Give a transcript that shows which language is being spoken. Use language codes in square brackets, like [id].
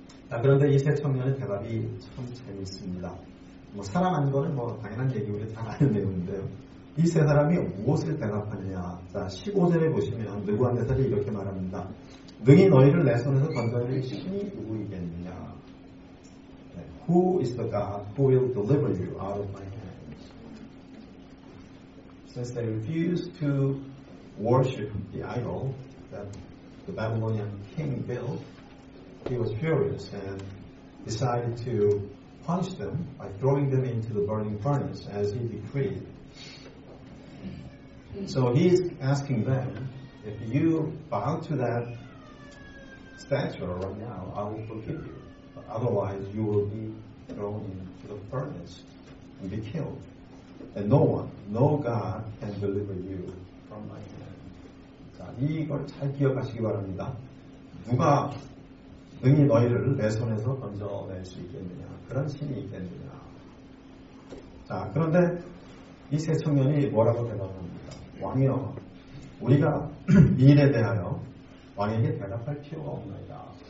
[ko] 자, 그런데 이 세 청년의 대답이 참 재미있습니다. 뭐 사랑하는 거는 뭐 당연한 얘기고 다 아는 내용인데요. 이 세 사람이 무엇을 대답하느냐. 자, 15절에 보시면 느부갓네살이 이렇게 말합니다. 능히 너희를 내 손에서 건져낼 신이 누구이겠느냐. [en] Who is the God who will deliver you out of my hands? Since they refused to worship the idol that the Babylonian king built, he was furious and decided to punish them by throwing them into the burning furnace as he decreed. So he's asking them, if you bow to that statue right now, I will forgive you. But otherwise, you will be thrown into the furnace and be killed. And no one, no God can deliver you from my hand. [ko] 자, 이걸 잘 기억하시기 바랍니다. 누가 능히 너희를 내 손에서 건져낼 수 있겠느냐? 그런 신이 있겠느냐? 자, 그런데 이 세 청년이 뭐라고 대답합니다. 왕이여, 우리가 이 일에 대하여 왕에게 대답할 필요가 없나이다.